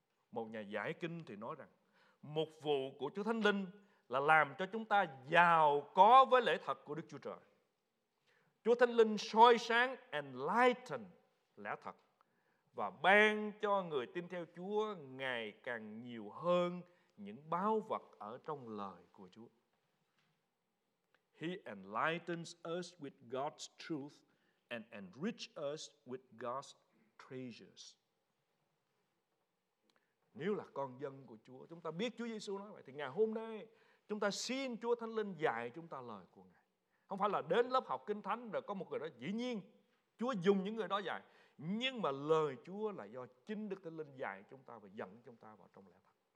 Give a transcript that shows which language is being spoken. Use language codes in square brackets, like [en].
[vi] Một nhà giải kinh thì nói rằng mục vụ của Chúa Thánh Linh là làm cho chúng ta giàu có với lẽ thật của Đức Chúa Trời. Chúa Thánh Linh soi sáng, enlighten lẽ thật, và ban cho người tin theo Chúa ngày càng nhiều hơn những báu vật ở trong lời của Chúa. [en] He enlightens us with God's truth and enrich us with God's treasures. [vi] Nếu là con dân của Chúa, chúng ta biết Chúa Giê-xu nói vậy, thì ngày hôm nay chúng ta xin Chúa Thánh Linh dạy chúng ta lời của Ngài. Không phải là đến lớp học Kinh Thánh rồi có một người đó, dĩ nhiên Chúa dùng những người đó dạy, nhưng mà lời Chúa là do chính Đức Thánh Linh dạy chúng ta và dẫn chúng ta vào trong lẽ thật.